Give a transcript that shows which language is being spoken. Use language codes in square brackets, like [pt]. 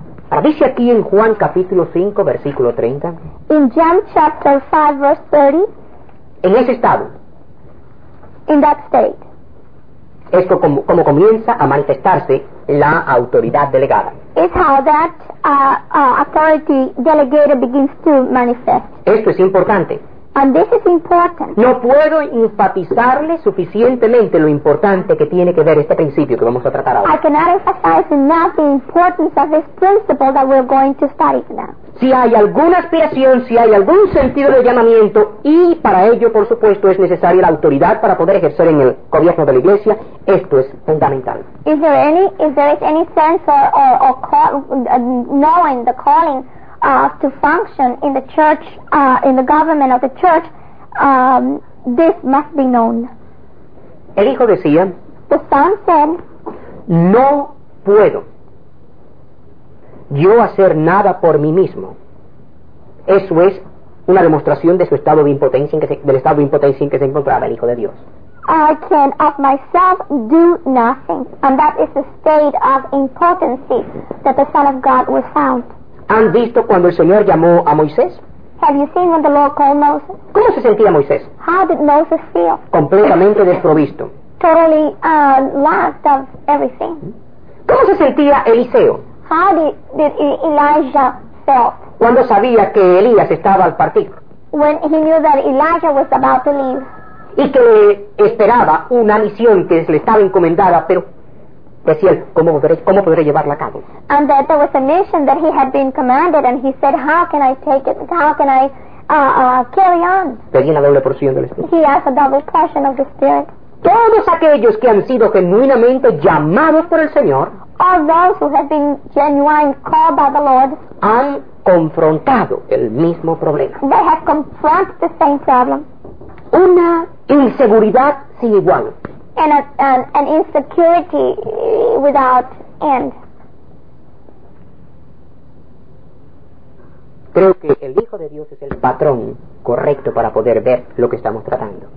[es] Ahora dice aquí en Juan capítulo 5, versículo 30. [en] In John chapter 5, verse 30. [es] En ese estado. [en] In that state. [es] Esto como comienza a manifestarse la autoridad delegada. [en] Is how that authority delegated begins to manifest. [es] Esto es importante. [en] And this is important. [es] No puedo enfatizarle suficientemente lo importante que tiene que ver este principio que vamos a tratar ahora. [en] I cannot emphasize enough the importance of this principle that we're going to study now. [es] Si hay alguna aspiración, si hay algún sentido de llamamiento, y para ello, por supuesto, es necesaria la autoridad para poder ejercer en el gobierno de la iglesia, esto es fundamental. [en] Is there any sense or call, knowing the calling to function in the church, in the government of the church, this must be known. [es] El hijo decía, [en] the son said, [es] no puedo yo hacer nada por mí mismo. Eso es una demostración de su estado de impotencia, del estado de impotencia en que se encontraba el Hijo de Dios. [en] I can of myself do nothing, and that is the state of impotency that the Son of God was found. [es] ¿Han visto cuando el Señor llamó a Moisés? [en] Have you seen when the Lord called Moses? [es] ¿Cómo se sentía Moisés? [en] How did Moses feel? [es] Completamente desprovisto. [en] Totally lacked of everything. [es] ¿Cómo se sentía Eliseo? [en] How did Elijah felt? [es] Cuando sabía que Elías estaba al partir. [en] When he knew that Elijah was about to leave. [es] Y que esperaba una misión que le estaba encomendada, pero decía él, ¿cómo podré llevarla a cabo? [en] And that there was a mission that he had been commanded, and he said, how can I take it? How can I carry on? [es] Pedía una doble porción del Espíritu. [en] He asked a double portion of the Spirit. [es] Todos aquellos que han sido genuinamente llamados por el Señor, [en] all those who have been genuine called by the Lord, [es] han confrontado el mismo problema. [en] They have confronted the same problem. [es] Una inseguridad sin igual. [en] And an insecurity without end. [es] Creo que el Hijo de Dios es el patrón correcto para poder ver lo que estamos tratando.